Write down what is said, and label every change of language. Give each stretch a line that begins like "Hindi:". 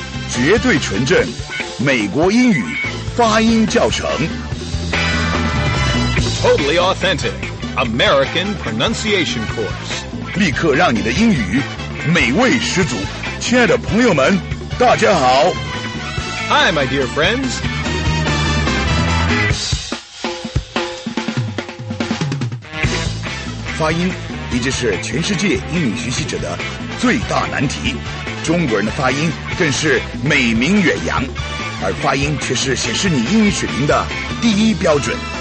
Chinese: 绝对纯正美国英语发音教程
English: Totally Authentic American Pronunciation Course
Chinese: 立刻让你的英语美味十足亲爱的朋友们大家好
English: Hi my dear friends
Chinese: 发音一直是全世界英语学习者的最大难题中国人的发音更是美名远扬而发音却是显示你英语水平的第一标准